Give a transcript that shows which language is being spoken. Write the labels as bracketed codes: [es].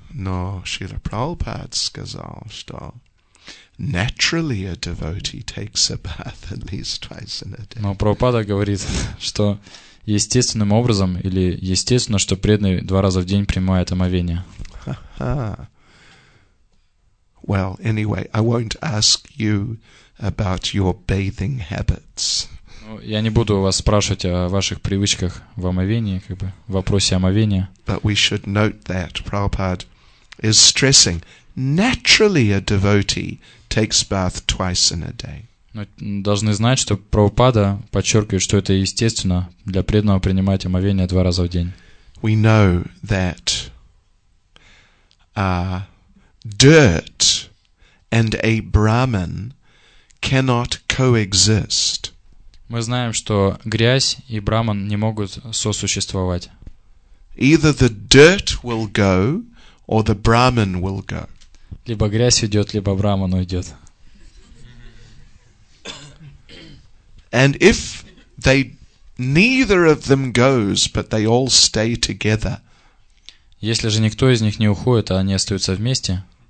[ru] Но Шрила Прабхупада сказал, что [en] naturally a devotee takes a bath at least twice in a day. [ru] Но Прабхупада говорит, что естественным образом, или естественно, что преданный два раза в день принимает омовение. [en] Well, anyway, I won't ask you about your bathing habits. [ru] Ну, я не буду вас спрашивать о ваших привычках в омовении, как бы, в вопросе омовения. [en] But we should note that Prabhupada is stressing, naturally a devotee takes bath twice in a day. [ru] Мы должны знать, что Прабхупада подчеркивает, что это естественно для преданного принимать омовение два раза в день. [en] We know that dirt and a Brahmin cannot coexist. [ru] Мы знаем, что грязь и Брахман не могут сосуществовать. [en] Either the dirt will go, or the Brahmin will go. [ru] Либо грязь уйдет, либо Брахман уйдет. [en] And if they neither of them goes, but they all stay together. [ru] Если же никто из них не уходит, а они остаются вместе.